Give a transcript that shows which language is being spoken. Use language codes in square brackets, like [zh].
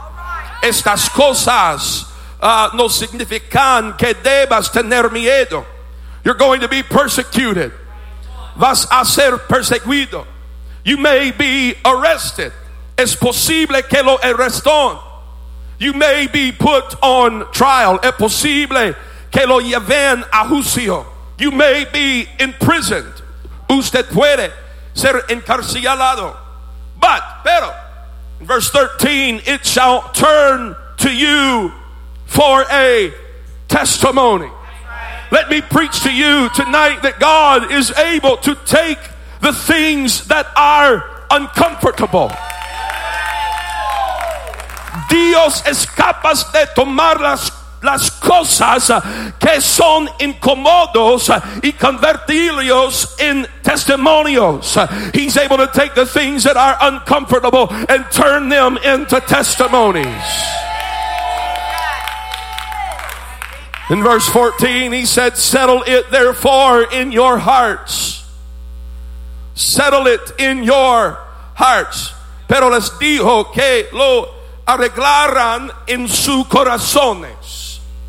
[en] Right. [es] Estas cosas no significan que debas tener miedo. [en] You're going to be persecuted. [es] Vas a ser perseguido. [en] You may be arrested. [es] Es posible que lo arrestan. [en] You may be put on trial. [es] Es posible que lo lleven a juicio. [en] You may be imprisoned. [es] Usted puede ser encarcelado. [en] Pero, verse 13, it shall turn to you for a testimony. Let me preach to you tonight that God is able to take the things that are uncomfortable. [es] Dios es capaz de tomar las cosas que son incomodos y convertirlos en testimonios. [en] He's able to take the things that are uncomfortable and turn them into testimonies. In verse 14, he said, settle it therefore in your hearts. Settle it in your hearts. [es] Pero les dijo que lo arreglaran en sus corazones.